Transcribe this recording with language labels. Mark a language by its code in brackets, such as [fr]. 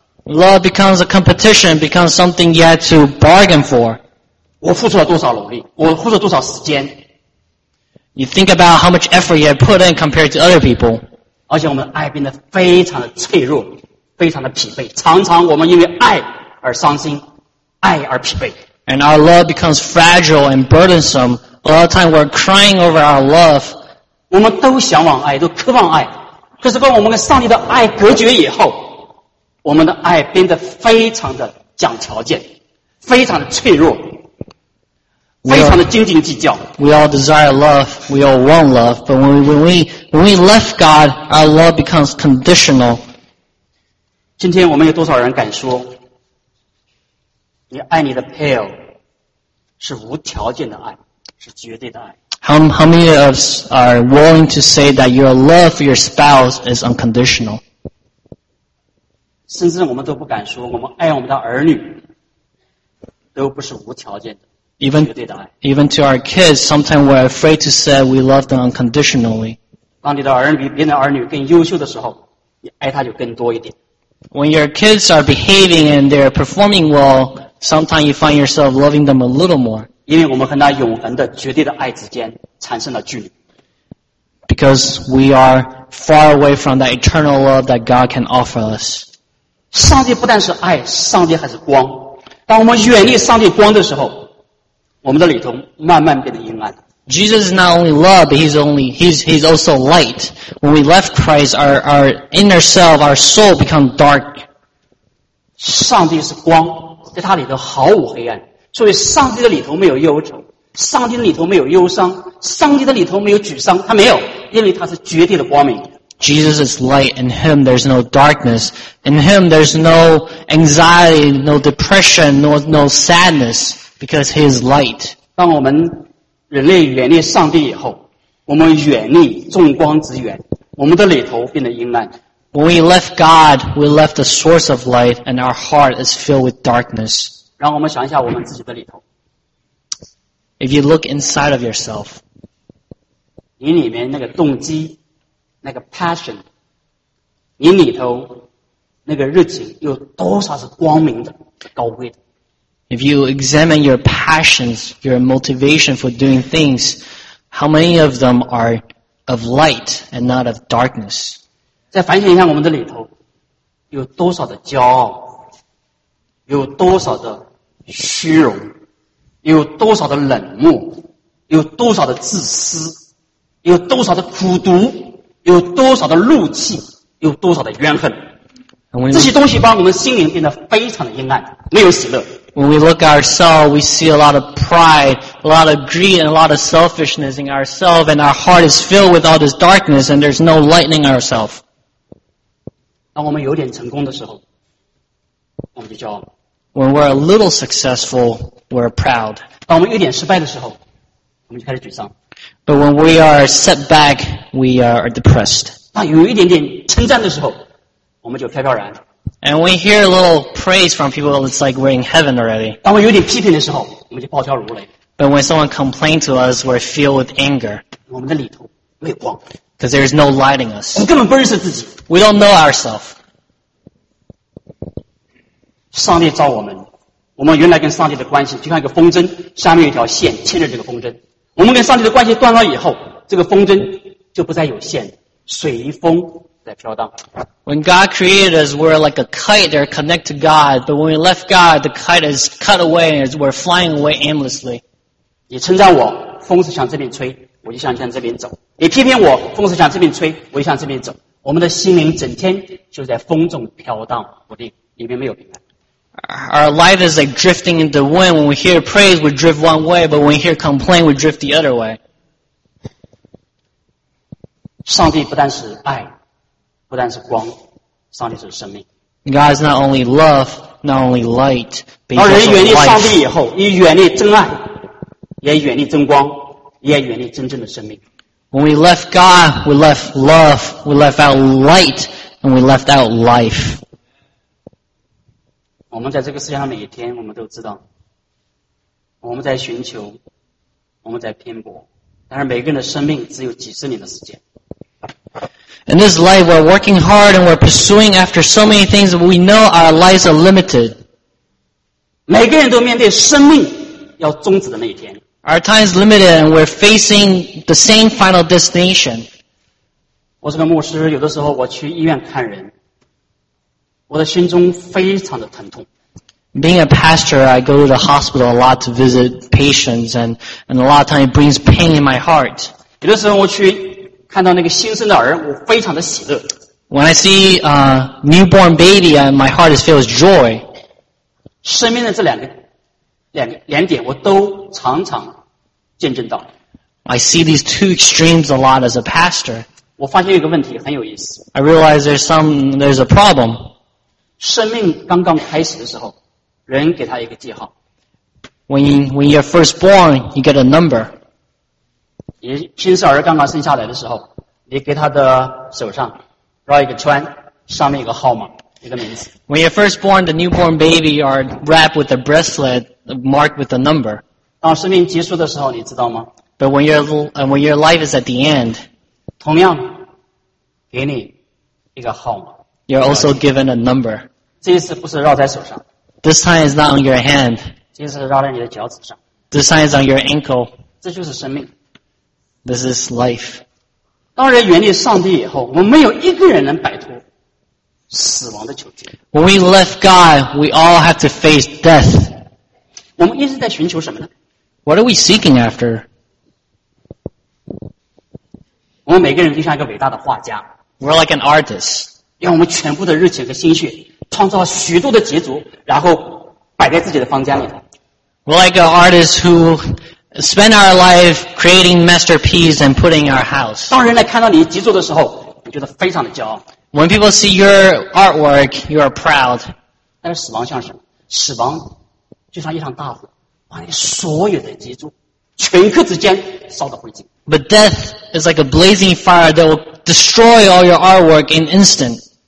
[en] Love becomes a competition, becomes something you have to bargain for. [zh] 我付出了多少努力, 我付出了多少时间, [en] you think about how much effort you have put in compared to other people. [zh] 而且我们爱变得非常的脆弱, 非常的疲惫, 常常我们因为爱而伤心, 爱而疲惫。 [en] And our love becomes fragile and burdensome. A lot of time we're crying over our love, [zh] 我们都向往爱，都渴望爱。可是，当我们跟上帝的爱隔绝以后，我们的爱变得非常的讲条件，非常的脆弱，非常的斤斤计较。 [en] We all desire love, we all want love, but when we left God, our love becomes conditional. [zh] 今天我们有多少人敢说，你爱你的配偶是无条件的爱，是绝对的爱？ [en] How many of us are willing to say that your love for your spouse is unconditional? [zh] 甚至我们都不敢说，我们爱我们的儿女都不是无条件的，绝对的爱。 [en] Even to our kids, sometimes we're afraid to say we love them unconditionally. [zh] 当你的儿女比别人的儿女更优秀的时候，你爱他就更多一点。 [en] When your kids are behaving and they're performing well, sometimes you find yourself loving them a little more. [zh] 因为我们和那永恒的绝对的爱之间产生了距离。 [en] Because we are far away from that eternal love that God can offer us. [zh] 上帝不但是爱，上帝还是光。当我们远离上帝光的时候，我们的里头慢慢变得阴暗。 [en] Jesus is not only love, but he's also light. When we left Christ, our inner self, our soul become dark. [zh] 上帝是光，在他里头毫无黑暗。所以上帝的里头没有忧愁，上帝的里头没有忧伤，上帝的里头没有沮丧，他没有，因为他是绝对的光明。 [en] Jesus is light, in him there's no darkness, in him there's no anxiety, no depression, no sadness, because he is light. [zh] 当我们人类远离上帝以后，我们远离众光之源，我们的里头变得阴暗。 [en] When we left God, we left the source of light, and our heart is filled with darkness. [zh] 让我们想一下我们自己的里头。 [en] If you look inside of yourself, [zh] 你里面那个动机，那个 passion, 你里头那个热情有多少是光明的、高贵的？ [en] If you examine your passions, your motivation for doing things, how many of them are of light and not of darkness? [zh] 再反省一下我们的里头有多少的骄傲，有多少的虚荣，有多少的冷漠，有多少的自私，有多少的苦毒，有多少的怒气，有多少的怨恨。这些东西把我们心灵变得非常的阴暗，没有喜乐。 [en] When we look at ourselves, we see a lot of pride, a lot of greed, and a lot of selfishness in ourselves, and our heart is filled with all this darkness, and there's no lightening ourselves. [zh] 当我们有点成功的时候，我们就骄傲。 [en] When we're a little successful, we're proud. [zh] 当我们有点失败的时候，我们就开始沮丧。 [en] But when we are set back, we are depressed. [zh] 当有一点点称赞的时候，我们就飘飘然。 [en] And we hear a little praise from people, it's like we're in heaven already. [zh] 当我们有点批评的时候，我们就暴跳如雷。 [en] But when someone complains to us, we're filled with anger. [zh] 我们的里头没有光。 [en] Because there is no light in us. [zh] 我们根本不认识自己。 [en] We don't know ourselves. [zh] 上帝造我们，我们原来跟上帝的关系就像一个风筝，下面有一条线牵着这个风筝。我们跟上帝的关系断了以后，这个风筝就不再有线，随风在飘荡。 [en] When God created us, we're like a kite, they're connected to God. But when we left God, the kite is cut away, and we're flying away aimlessly. [zh] 你称赞我，风是向这边吹，我就向这边走。你批评我，风是向这边吹，我就向这边走。我们的心灵整天就在风中飘荡不定，里面没有平安。 [en] Our life is like drifting in the wind. When we hear praise, we drift one way, but when we hear complaint, we drift the other way. [zh] 上帝不但是爱，不但是光，上帝是生命。 [en] God is not only love, not only light, but also life. [zh] 当人远离上帝以后，也远离真爱，也远离真光，也远离真正的生命。 [en] When we left God, we left love, we left out light, and we left out life. [zh] 我们在这个世界上每一天，我们都知道，我们在寻求，我们在拼搏，但是每个人的生命只有几十年的时间。 [en] In this life, we're working hard and we're pursuing after so many things. We know our lives are limited. [zh] 每个人都面对生命要终止的那一天。 [en] Our time is limited, and we're facing the same final destination. [zh] 我是个牧师，有的时候我去医院看人。我的心中非常的疼痛。 [en] Being a pastor, I go to the hospital a lot to visit patients, and a lot of time it brings pain in my heart. [zh] 有的时候我去看到那个新生的儿，我非常的喜乐。 [en] When I see a newborn baby, my heart is filled with joy. [zh] 生命的这两点，我都常常见证到。 [en] I see these two extremes a lot as a pastor. [zh] 我发现一个问题很有意思。 [en] I realize there's a problem. [zh] 生命刚刚开始的时候，人给他一个记号。 [en] When you're first born, you get a number. [zh] 你新生儿刚刚生下来的时候，你给他的手上绕一个圈，上面一个号码，一个名字。 [en] When you're first born, the newborn baby are wrapped with a bracelet marked with a number. [zh] 当生命结束的时候，你知道吗？ [en] But when your life is at the end, [zh] 同样给你一个号码。 [en] You're also given a number. [zh] 这一次不是绕在手上。 [en] This time is not on your hand. [zh] 这一次绕在你的脚趾上。 [en] This time is on your ankle. [zh] 这就是生命。 [en] This is life. [zh] 当人远离上帝以后，我们没有一个人能摆脱死亡的囚禁。 [en] When we left God, we all have to face death. [zh] 我们一直在寻求什么呢？ [en] What are we seeking after? [zh] 我们每个人就像一个伟大的画家。 [en] We're like an artist. [zh] 用我们全部的热情和心血，创造许多的杰作，然后摆在自己的房间里头。 [en] We're like an artist who spend our life creating masterpieces and putting in our house. [zh] 当人来看到你杰作的时候，你觉得非常的骄傲。 [en] When people see your artwork, you are proud. [zh] 但是死亡像什么？死亡就像一场大火，把你所有的杰作顷刻之间烧到灰烬。 [en] But death is like a blazing fire that will destroy all your artwork in instant.